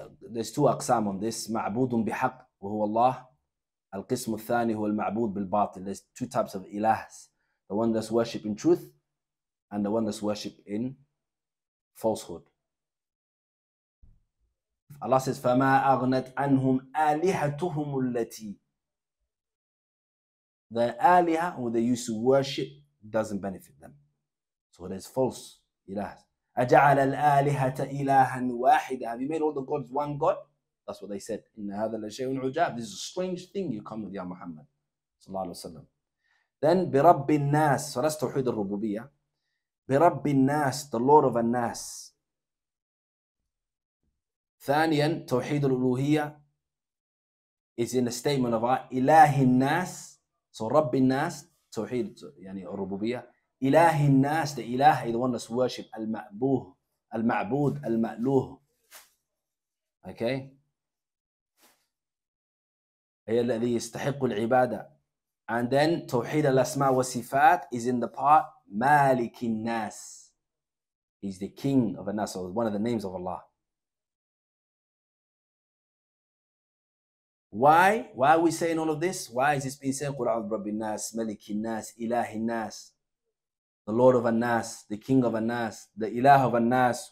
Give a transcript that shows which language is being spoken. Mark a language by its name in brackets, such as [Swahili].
[English] There's two aqsam on this. [Arabic] مَعْبُودٌ بِحَقٍ وَهُوَ اللَّهِ. الْقِسْمُ الثَّانِي هُوَ الْمَعْبُودُ بِالْبَاطِلِ. [English] There's two types of ilahs. The one that's worship in truth and the one that's worship in falsehood. Allah says, [Arabic] فَمَا أَغْنَتْ عَنْهُمْ آلِهَتُهُمُ الَّتِي. [English] The aliha who they used to worship doesn't benefit them. So it is false ilahs. [Arabic] أَجَعَلَ الْآلِهَةَ إِلَهًا وَاحِدًا. [English] Have you made all the gods one god? That's what they said. [Arabic] إِنَّ هَذَا لَشَيْءٌ عُجَابٌ. [English] This is a strange thing you come with, Ya Muhammad. [Arabic] صلى الله عليه وسلم. Then برب الناس. [English] So that's توحيد الربوبية. برب الناس, the Lord of الناس. [Arabic] ثانيا توحيد الألوهية [English] is in a statement of [Arabic] إله الناس. So رب الناس توحيد يعني الربوبية. [English] إله الناس, the إله is the one that's worship. [Arabic] المعبوه, المعبود, المألوه. [English] Okay. [Arabic] هي الذي يستحق العبادة. [English] And then [Arabic] توحيد الأسماء والصفات [English] is in the part مالك الناس. He's the king of the الناس, so one of the names of Allah. Why? Why are we saying all of this? Why is this being said? [Arabic] قل أعوذ برب الناس, ملك الناس, إله الناس, [English] the Lord of الناس, [Arabic] the King of الناس, the إله of الناس.